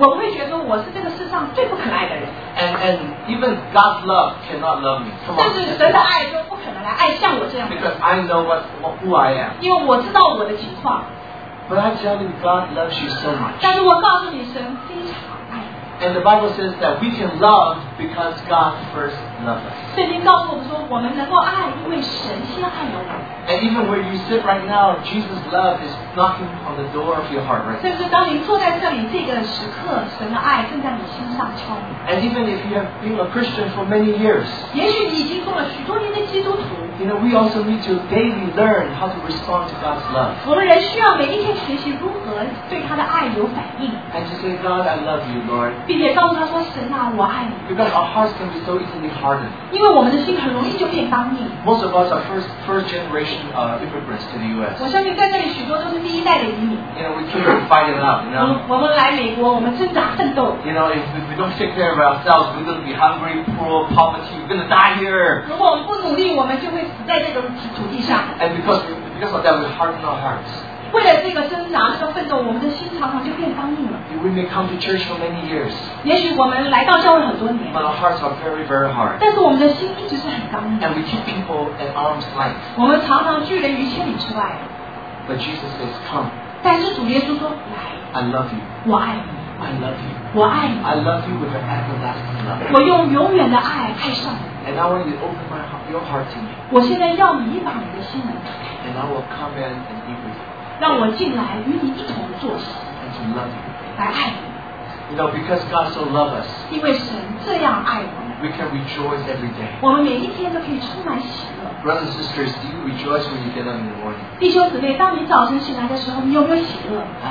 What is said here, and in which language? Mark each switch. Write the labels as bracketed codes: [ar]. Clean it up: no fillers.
[en] And even God's love cannot love me. Come on. Because I know who I am. But I tell you, God loves you so much. And the Bible says that we can love because God first loved us. [zh] 圣经告诉我们说，我们能够爱，因为神先爱了我们。 [en] And even where you sit right now, Jesus' love is knocking on the door of your heart right now. [zh] 甚至当您坐在这里，这个时刻，神的爱正在你心上敲门。 [en] And even if you have been a Christian for many years, [zh] 也许你已经做了许多年的基督徒。 [en] You know, we also need to daily learn how to respond to God's love. [zh] 我们人需要每一天学习如何对他的爱有反应。 [en] And to say, God, I love you, Lord. [zh] 并且告诉他说，神啊，我爱你。 [en] Because our hearts can be so easily hardened. [zh] 因为我们的心很容易就变刚硬。 [en] Most of us are first generation immigrants to the U.S. [zh] 我相信在这里许多都是第一代的移民。 [en] You know, we keep fighting up, you know. [zh] 我们来美国，我们挣扎奋斗。 [en] You know, if we don't take care of ourselves, we're going to be hungry, poor, poverty, we're going to die here. [zh] 如果我们不努力，我们就会 [en] And because of that, we harden our hearts. [zh] 为了这个挣扎和奋斗，我们的心常常就变刚硬了。 [en] We may come to church for many years. [zh] 也许我们来到教会很多年。 [en] But our hearts are very, very hard. [zh] 但是我们的心一直是很刚硬。 [en] And we keep people at arm's length. [zh] 我们常常拒人于千里之外。 [en] But Jesus says, "Come." [zh] 但是主耶稣说，来。 [en] I love you. [zh] 我爱你。 [en] I love you. [zh] 我爱你。 [en] I love you with an everlasting love. [zh] 我用永远的爱爱上你。 [en] And I want you to open my heart, your heart to me. [zh] 我现在要你把你的心门打开。 [en] And I will come in and be with you. [zh] 让我进来与你一同坐下。 [en] And to love you. [zh] 来爱你。 [en] You know, because God so loves us. [zh] 因为神这样爱我们。 [en] We can rejoice every day. [zh] 我们每一天都可以充满喜乐。 [en] Brothers and sisters, do you rejoice when you get up in the morning? [zh] 弟兄姊妹，当你早晨醒来的时候，你有没有喜乐？